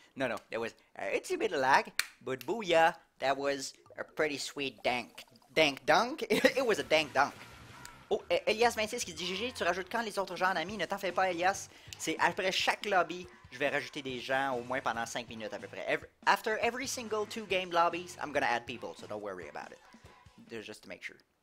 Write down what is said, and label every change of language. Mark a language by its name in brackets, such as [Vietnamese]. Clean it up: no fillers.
[English] No, there was it's a bit of lag, but booyah, that was a pretty sweet dank dunk. It was a dank dunk. [French] Oh, Elias 26 qui dit GG, tu rajoutes quand les autres gens en ami? Ne t'en fais pas, Elias. C'est après chaque lobby, je vais rajouter des gens au moins pendant 5 minutes à peu près. [English] After every single 2 game lobbies, I'm gonna add people, so don't worry about it. Just to make sure.